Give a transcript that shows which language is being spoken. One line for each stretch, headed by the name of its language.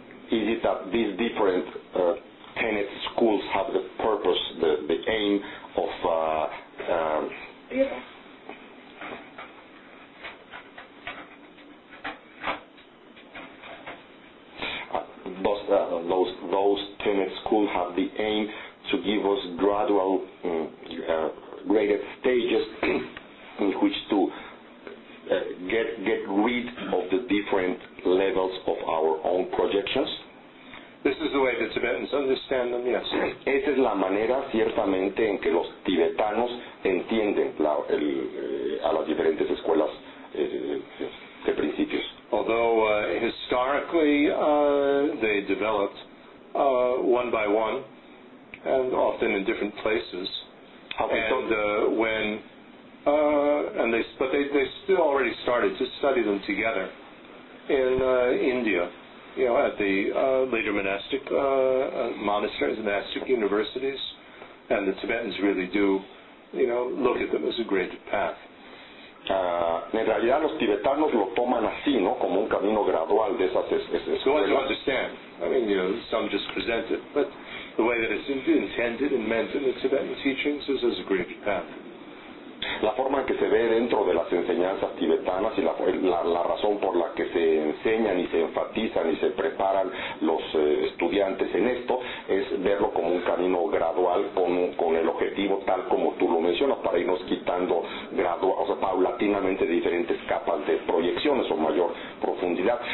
English: is it that these different tenet schools have the purpose, the aim of those tenet schools have the aim to give us gradual graded stages in which to get rid of the different levels of our own projections. This is the way the Tibetans understand them, yes.
Spanish: Esa es la manera, ciertamente, en que los tibetanos entienden a las diferentes escuelas de principios.
English: Although historically they developed one by one and often in different places. But they still already started to study them together in India, you know, at the later monastic monasteries, monastic universities, and the Tibetans really do, you know, look at them as a great path.
Spanish: En realidad los tibetanos lo toman así, ¿no? Como un camino gradual de esas escuelas.
English: So you understand. I mean, you know, some just present it, but the way that it's intended and meant in the Tibetan teachings is as a great path.
Spanish: La forma en que se ve dentro de las enseñanzas tibetanas y la razón por la que se enseñan y se enfatizan y se preparan los estudiantes en esto es verlo como un camino gradual con el objetivo tal como tú lo mencionas, para irnos quitando gradual, o sea, paulatinamente diferentes capas de proyecciones o mayor profundidad.